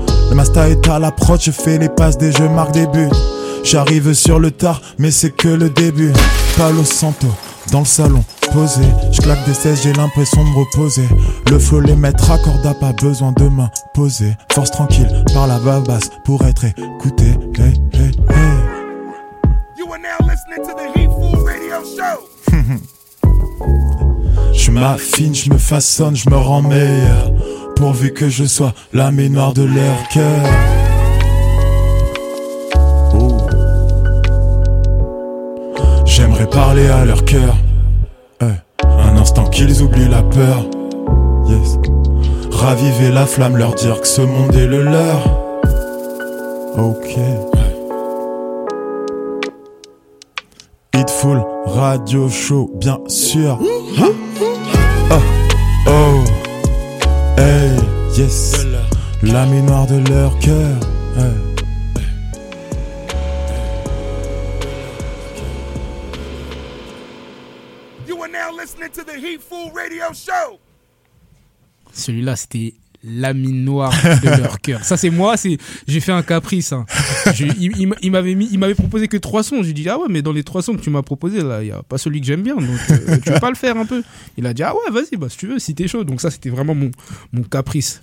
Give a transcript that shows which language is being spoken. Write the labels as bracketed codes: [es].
[fr] Le masta est à l'approche, je fais les passes des jeux, marque des buts. J'arrive sur le tard, mais c'est que le début. Palo Santo, dans le salon, posé. J'claque des 16, j'ai l'impression de me reposer. Le flow, les maîtres accorda, pas besoin de m'imposer. Force tranquille, par la basse pour être écouté. Hey, hey, hey. [en] You are now listening to the Heat Fool Radio Show. [fr] Je m'affine, je me façonne, je me rends meilleur. Pourvu que je sois la mémoire de leur cœur. J'aimerais parler à leur cœur. Un instant qu'ils oublient la peur. Yes. Raviver la flamme, leur dire que ce monde est le leur. Ok. Heat Fool Radio Show, bien sûr. Oh. Oh. Hey. Yes. La mémoire de leur cœur. [en] Listening to the Heat Fool Radio Show. [fr] Celui-là, c'était la mine noire de leur cœur. Ça, c'est moi. C'est, j'ai fait un caprice. Hein. Il m'avait proposé que 3 sons. J'ai dit ah ouais, mais dans les 3 sons que tu m'as proposé, là, y a pas celui que j'aime bien. Donc, tu veux pas le faire un peu? Il a dit ah ouais, vas-y, bah si tu veux, si t'es chaud. Donc ça, c'était vraiment mon caprice.